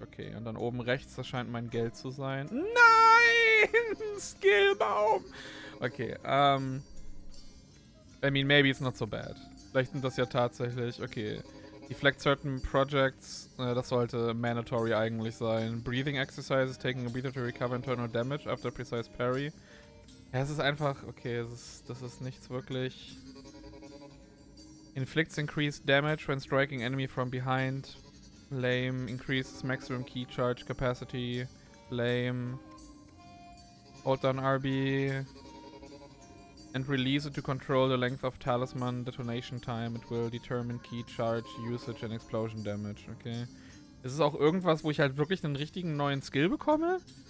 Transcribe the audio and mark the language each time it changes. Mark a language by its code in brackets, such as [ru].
[de] Okay, und dann oben rechts, das scheint mein Geld zu sein. Nein! Skillbaum! [en] Okay, I mean, maybe it's not so bad. [de] Vielleicht sind das ja tatsächlich, okay. [en] Deflect certain projects, [de] das sollte mandatory eigentlich sein. [en] Breathing exercises, taking a breather to recover internal damage after precise parry. [de] Ja, es ist einfach, okay, das ist nichts wirklich. [en] Inflicts increased damage when striking enemy from behind. Lame. Increases maximum key charge capacity. Lame. Hold down RB. And release it to control the length of talisman detonation time. It will determine key charge usage and explosion damage. Okay. [de] Ist es auch irgendwas, wo ich halt wirklich einen richtigen neuen Skill bekomme?